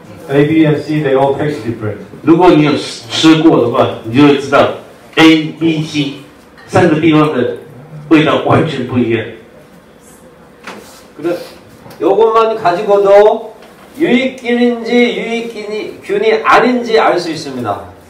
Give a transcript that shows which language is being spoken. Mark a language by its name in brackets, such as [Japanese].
[English] A B and C they all taste different. [Chinese] 如果你有吃过的话，你就会知道 A、B、C 三个地方的味道完全不一样。 [Korean] 그래 요것만 가지고도 유익균인지 유익균이 아닌지 알 수 있습니다.